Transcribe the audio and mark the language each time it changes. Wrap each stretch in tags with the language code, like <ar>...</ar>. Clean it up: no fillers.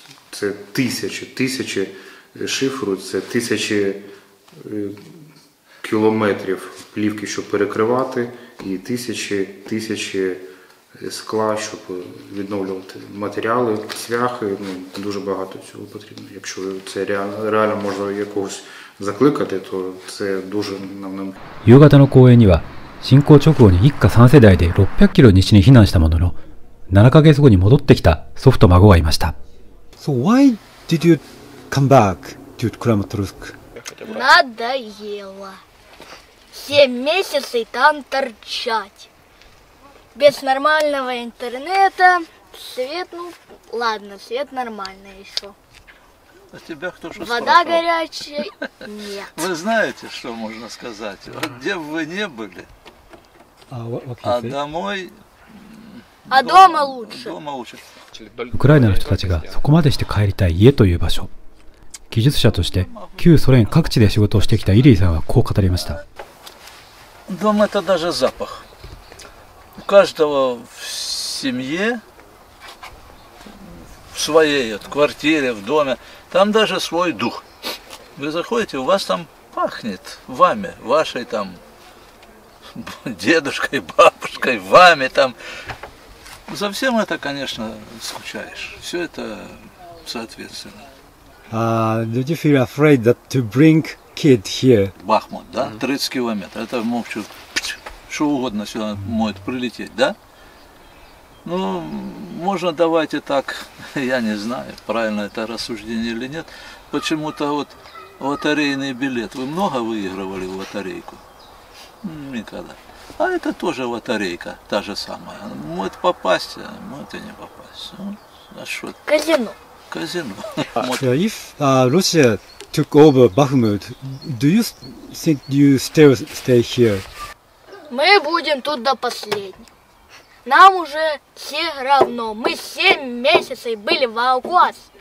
<uk>Це тисячі шифру, це тисячі кілометрів плівки, щоб перекривати, і тисячі скла, щоб відновлювати матеріали, цвяхи, ну, дуже багато цього потрібно. Якщо це реально можна якогось закликати, то це дуже нам не...</uk> <ja>夕方の公園には、侵攻直後に一家3世代で600キロ西に避難したものの、7ヶ月後に戻ってきた祖父と孫がいました。</ja> <en>So why did you come back to Краматорск?</en> <ru>7 месяцев там торчать. Без нормального интернета, свет, ну ладно, свет нормальный еще. А тебя кто же спрашивал? Вода горячая? Нет. Вы знаете, что можно сказать? Вот где бы вы не были, а домой... А дома лучше. Дома лучше.</ru> <ja>ウクライナの人たちがそこまでして帰りたい家という場所。技術者として旧ソ連各地で仕事をしてきたイリーさんはこう語りました。</ja> <ru>Дом это даже запах. У каждого в семье, в своей вот квартире, в доме, там даже свой дух. Вы заходите, у вас там пахнет вами, вашей там дедушкой, бабушкой, вами там. За всем это, конечно, скучаешь. Все это соответственно.</ru> <en>Did you feel afraid that to bring kid here?</en> <ru>Бахмут, да? 30 километров. Это молчу. Что угодно сюда может прилететь, да? Ну, можно давайте так, я не знаю, правильно это рассуждение или нет. Почему-то вот лотерейный билет. Вы много выигрывали в лотерейку? Никогда. А это тоже лотерейка, та же самая. Может попасть, а может и не попасть. Ну, а что? Казино. Казино.</ru> <en>If Russia took over Bakhmut, do you think you still stay here?</en> <ru>Мы будем тут до последнего. Нам уже все равно. Мы 7 месяцев были в эвакуации.</ru>